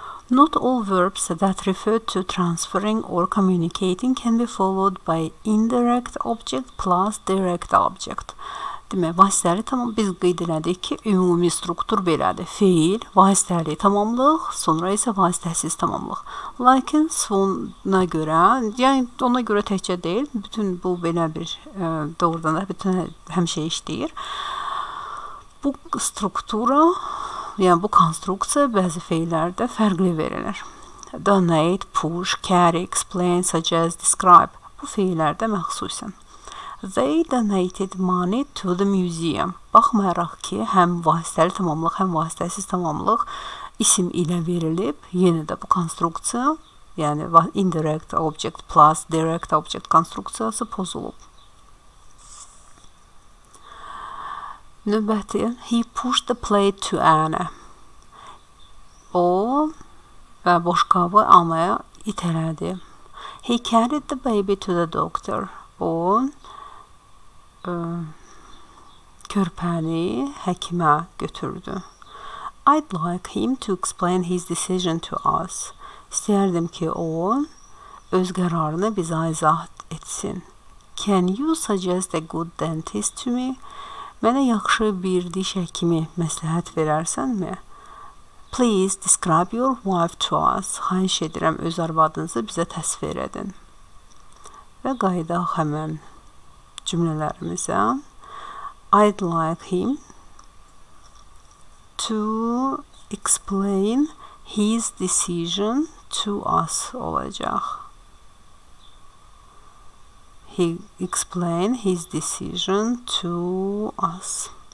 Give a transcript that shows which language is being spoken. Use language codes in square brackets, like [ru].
[en] Not all verbs that refer to transferring or communicating can be followed by indirect object plus direct object. [az] Demək, vasitəli tamam, biz qeyd elədik ki, ümumi struktur belədir. Fiil, vasitəli tamamlıq, sonra isə vasitəsiz tamamlıq. Lakin sona görə, yəni ona görə təkcə deyil, bütün bu belə bir doğrudan da bütün həmişə işləyir. Bu struktura Yəni bu konstruksiya bəzi feillərdə fərqli verilir. Donate, push, carry, explain, suggest, describe. Bu feillərdə məxsusən. [en] They donated money to the museum. [az] Baxmayaraq ki, həm vasitəli tamamlıq, həm vasitəsiz tamamlıq isim ilə verilib, yenə də bu konstruksiya, yəni [en] indirect object plus direct object [az] konstruksiyası pozulub. Növbəti, [en] he pushed the plate to Anna. [az] O, və boşqabı Anna'ya itələdi. [en] He carried the baby to the doctor. [az] O, körpəni həkimə götürdü. [en] I'd like him to explain his decision to us. [az] İstəyərdim ki, o öz qərarını bizə izah etsin. [en] Can you suggest a good dentist to me? [az] Mənə yaxşı bir diş həkimi məsləhət verərsən mi? [en] Please describe your wife to us. [az] Xahiş edirəm, öz arvadınızı bizə təsvir edin. Və qayıdaq həmən cümlələrimizə. [en] I'd like him to explain his decision to us [az] olacaq. [en] He explain his decision to us.